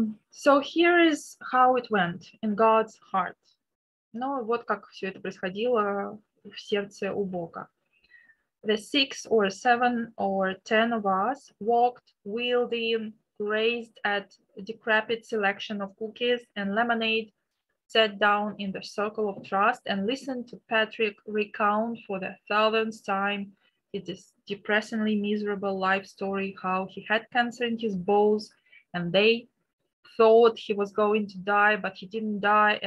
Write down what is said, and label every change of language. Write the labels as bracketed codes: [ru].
[en] So here is how it went in God's heart. [ru] Ну вот как все это происходило в сердце у Бога. [en] The 6 or 7 or 10 of us walked, wheeled in, grazed at a decrepit selection of cookies and lemonade, sat down in the circle of trust and listened to Patrick recount for the 1000th time his depressingly miserable life story, how he had cancer in his bones and they thought he was going to die, but he didn't die.